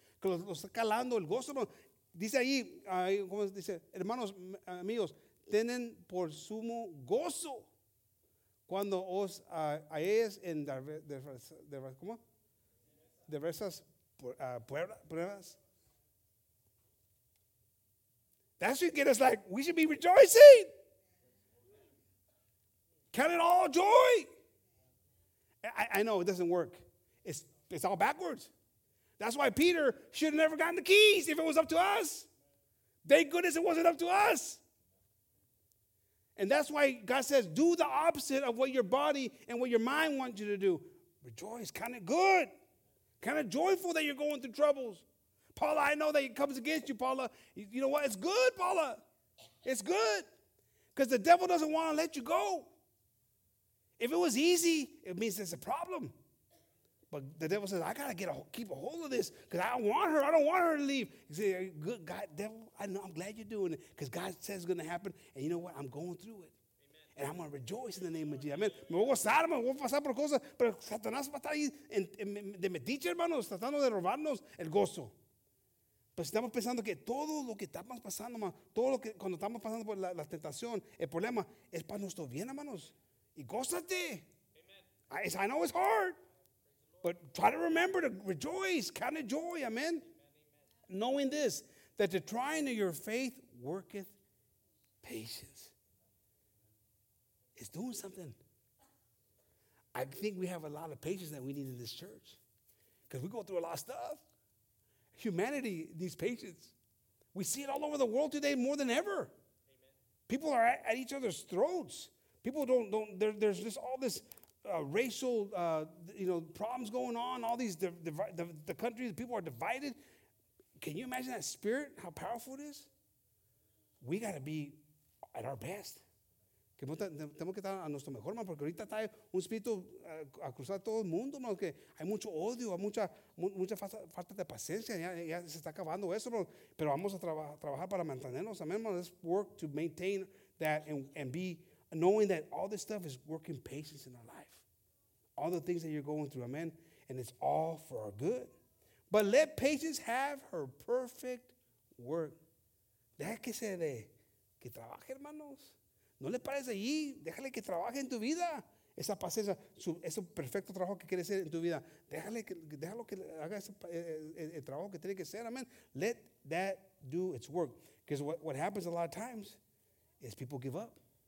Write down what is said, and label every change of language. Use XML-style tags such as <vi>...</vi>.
<es>Que nos está calando el gozo, hermano. Dice ahí, ¿cómo dice? Hermanos, amigos, tienen por sumo gozo cuando os halléis en diversas pruebas.</es> <en>That should get us like, we should be rejoicing. Count it all joy. I know it doesn't work. It's all backwards. That's why Peter should have never gotten the keys if it was up to us. Thank goodness it wasn't up to us. And that's why God says, do the opposite of what your body and what your mind wants you to do. Rejoice, count it good. Count it joyful that you're going through troubles. Paula, I know that it comes against you, Paula. You know what? It's good, Paula. It's good. Because the devil doesn't want to let you go. If it was easy, it means there's a problem. But the devil says, I got to keep a hold of this because I want her. I don't want her to leave. He says, good God, devil, I know, I'm glad you're doing it because God says it's going to happen. And you know what? I'm going through it. Amen. And I'm going to rejoice in the name of Jesus. Amen.</en> <es>Me voy a gozar, me voy a pasar por cosas. Pero Satanás va a estar ahí de metiche, hermanos, tratando de robarnos el gozo. Pues estamos pensando que todo lo que estamos pasando, man, todo lo que cuando estamos pasando por la tentación, el problema es para nuestro bien, hermanos. Y gózate. Amen.</es> <en>I know it's hard, but try to remember to rejoice, count it joy, amen? Amen, amen? Knowing this, that the trying of your faith worketh patience. It's doing something. I think we have a lot of patience that we need in this church because we go through a lot of stuff. Humanity needs patience. We see it all over the world today more than ever. Amen. People are at each other's throats. People don't, there's just all this racial, you know, problems going on. All these the countries, the people are divided. Can you imagine that spirit? How powerful it is. We got to be at our best.</en> <es>Tenemos que estar a nuestro mejor, man, porque ahorita está un espíritu a cruzar todo el mundo, man, que hay mucho odio, hay mucha falta de paciencia, ya se está acabando eso, man, pero vamos a trabajar para mantenernos, amen, man.</es> <en>Let's work to maintain that and be knowing that all this stuff is working patience in our life. All the things that you're going through, amen, and it's all for our good. But let patience have her perfect work.</en> <es>Deja que se dé, que trabaje, hermanos. ¿No le parece ahí? Déjale que trabaje en tu vida. Esa paciencia, ese perfecto trabajo que quiere hacer en tu vida. Déjalo que haga el trabajo que tiene que hacer.</es> <en>Amen. Let that do its work. Because what happens a lot of times is people give up.</en>